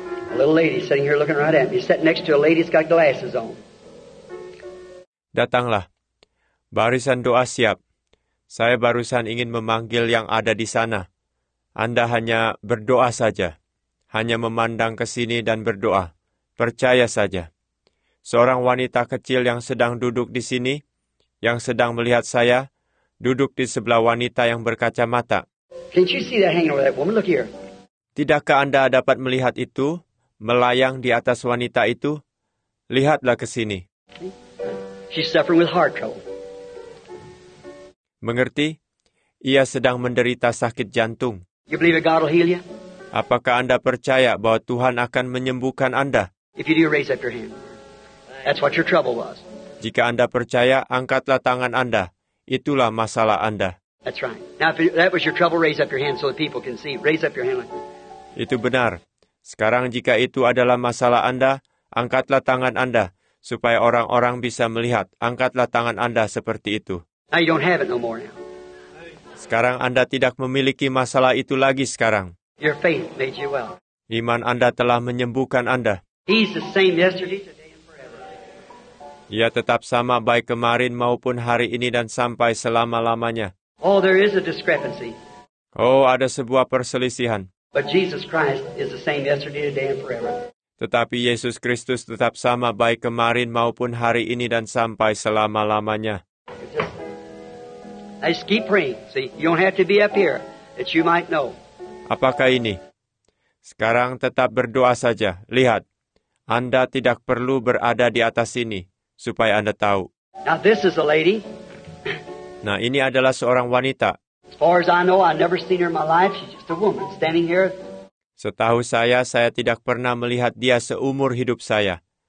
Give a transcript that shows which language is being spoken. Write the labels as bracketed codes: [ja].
[en] A little lady sitting here looking right at me. Sitting next to a lady that's got glasses on. [id] Datanglah. Barisan doa siap. Saya barusan ingin memanggil yang ada di sana. Anda hanya berdoa saja. Hanya memandang ke sini dan berdoa. Percaya saja. Seorang wanita kecil yang sedang duduk di sini, yang sedang melihat saya, duduk di sebelah wanita yang berkacamata. [en] Can't you see that hanging over that woman? Look here. [id] Tidakkah Anda dapat melihat itu, melayang di atas wanita itu? Lihatlah ke sini. [en] She's suffering with heart trouble. [id] Mengerti? Ia sedang menderita sakit jantung. [en] You believe that God will heal you? [id] Apakah Anda percaya bahwa Tuhan akan menyembuhkan Anda? [en] If you do, raise up your hand. That's what your trouble was. [id] Jika Anda percaya, angkatlah tangan Anda. Itulah masalah Anda. [en] That's right. Now, if that was your trouble, raise up your hand so that people can see. Raise up your hand. [id] Itu benar. Sekarang jika itu adalah masalah Anda, angkatlah tangan Anda supaya orang-orang bisa melihat. Angkatlah tangan Anda seperti itu. [en] Now you don't have it no more now. [id] Sekarang Anda tidak memiliki masalah itu lagi sekarang. [en] Your faith made you well. [id] Iman Anda telah menyembuhkan Anda. [en] He's the same yesterday. [id] Ia tetap sama baik kemarin maupun hari ini dan sampai selama-lamanya. [en] Oh, there is a discrepancy. [id] Oh, ada sebuah perselisihan. [en] But Jesus Christ is the same yesterday, today, and forever. [id] Tetapi Yesus Kristus tetap sama baik kemarin maupun hari ini dan sampai selama-lamanya. [en] I just keep praying. See, you don't have to be up here that you might know. [id] Apakah ini? Sekarang tetap berdoa saja. Lihat, Anda tidak perlu berada di atas sini supaya Anda tahu. [en] Now this is a lady. [id] Nah, ini adalah seorang wanita. [en] As far as I know, I've never seen her in my life. She's just a woman standing here. [id] Setahu saya tidak pernah melihat dia seumur hidup saya.